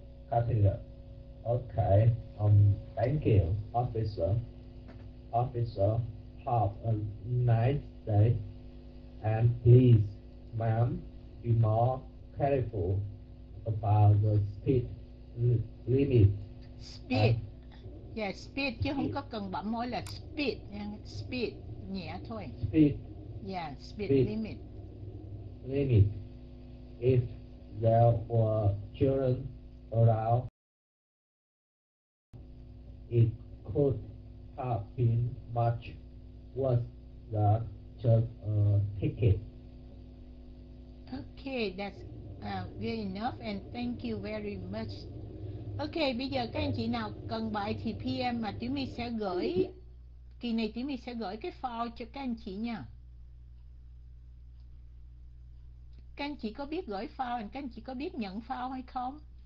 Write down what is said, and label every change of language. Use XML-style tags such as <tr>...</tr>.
<en>Cutting. Okay. Thank you, officer. Officer, have a nice day. And please, ma'am, be more careful about the speed limit. Speed.</en> <vi>Yeah, speed chứ không có cần bấm mỗi là speed, speed nhẹ thôi.</vi> <en>Speed. Yeah, speed limit. Limit. If there were children around, it could have been much worse than just a ticket. Okay, that's good enough, and thank you very much.</en> <vi>Okay, bây giờ các anh chị nào cần bài thì PM mà Tiểu My sẽ gửi, kỳ này Tiểu My sẽ gửi cái file cho các anh chị nha. Các anh chị có biết gửi file, các anh chị có biết nhận file hay không?</vi>